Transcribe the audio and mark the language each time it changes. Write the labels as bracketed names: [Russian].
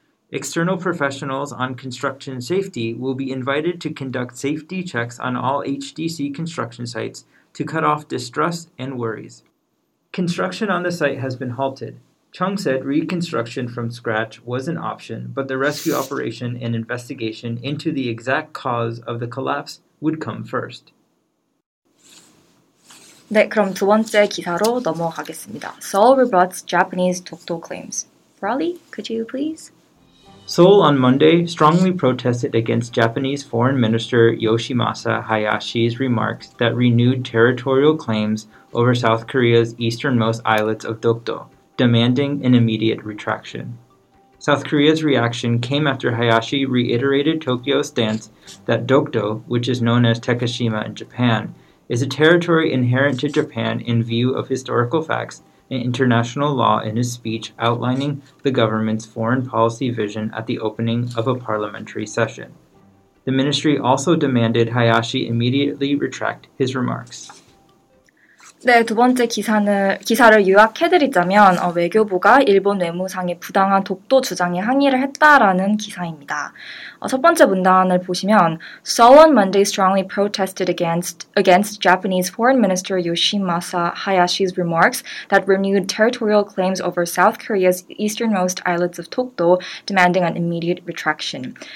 [English] External professionals on construction safety will be invited to conduct safety checks on all HDC construction sites to cut off distrust and worries. Construction on the site has been halted. Chung said reconstruction from scratch was an option, but the rescue operation and investigation into the exact cause of the collapse would come first. [Korean] 네, 그럼 두 번째 기사로 넘어가겠습니다. [English] Seoul rebuts Japanese Tokto claims. Broly, could you please? Seoul on Monday strongly protested against Japanese Foreign Minister Yoshimasa Hayashi's remarks that renewed territorial claims over South Korea's easternmost islets of Tokto, demanding an immediate retraction. South Korea's reaction came after Hayashi reiterated Tokyo's stance that Dokdo, which is known as Takeshima in Japan, is a territory inherent to Japan in view of historical facts and international law in his speech outlining the government's foreign policy vision at the opening of a parliamentary session. The ministry also demanded Hayashi immediately retract his remarks. [Korean] 네, 두 번째 기사를 요약해드리자면 외교부가 일본 외무상의 부당한 독도 주장에 항의를 했다라는 기사입니다. 첫 번째 문단을 보시면 [English] Seoul on Monday strongly protested against Japanese Foreign Minister Yoshimasa Hayashi's remarks that renewed territorial claims over South Korea's easternmost islets of Tokto, demanding an immediate retraction.